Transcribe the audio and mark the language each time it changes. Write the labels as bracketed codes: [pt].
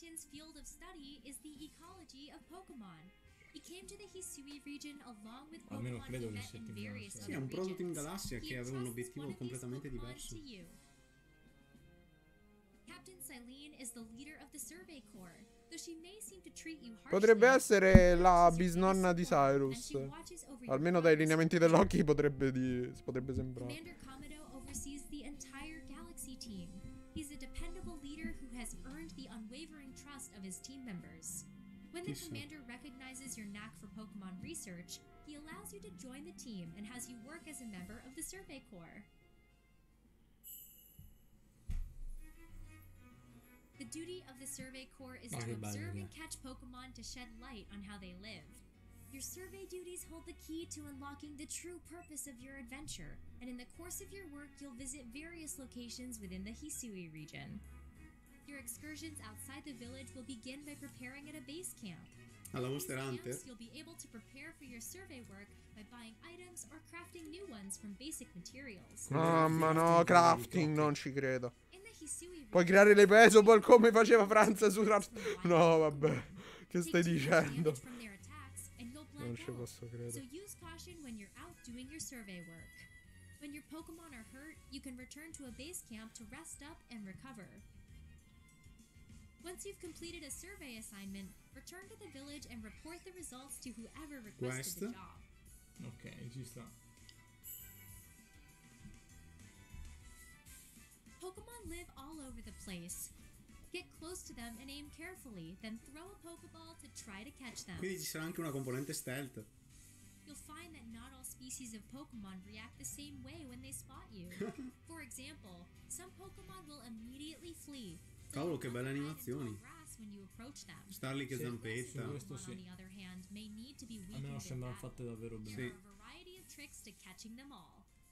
[en] Field of study is the ecology of Pokémon. He came to the Hisui region along with Pokémon in various other regions. [it] Sì, è un prodotto in galassia che aveva un obiettivo completamente diverso. [en] Captain Silene is the leader of the Survey Corps, though she may seem to treat you harshly. [it] Potrebbe essere la bisnonna di Cyrus. Almeno dai lineamenti dell'occhi potrebbe sembrare. [en] Commander Komodo oversees the entire galaxy team. He's a dependable leader who has earned the unwavering trust of his team members. When the commander recognizes your knack for Pokemon research, he allows you to join the team and has you work as a member of the Survey Corps. The duty of the Survey Corps is to observe and catch Pokemon to shed light on how they live. Your survey duties hold the key to unlocking the true purpose of your adventure, and in the course of your work, you'll visit various locations within the Hisui region. Your excursions outside the village will begin by preparing at a base camp. [it] Alla Monster Hunter. [en] You'll be able to prepare for your survey work by buying items or crafting new ones from basic materials. [it] Mamma no, crafting, non ci credo. Puoi creare le Pesoball come faceva Franza su Craft... No, vabbè, che stai dicendo? Non ci posso credere. [en] So use caution when you're out doing your survey work. When your Pokemon are hurt, you can return to a base camp to rest up and recover. Once you've completed a survey assignment, return to the village and report the results to whoever requested the job. [it] Ok, ci sta. [en] Pokemon live all over the place. Get close to them and aim carefully, then throw a Pokeball to try to catch them. [it] Quindi ci sarà anche una componente stealth. [en] You'll find that not all species of Pokemon react the same way when they spot you. For example, some Pokemon will immediately flee. [it] Cavolo, che belle animazioni. [en] Starly [it] che zampetta. Sì. A me non sembrano fatte davvero bene. Sì. [en] Variety of tricks to catching them all.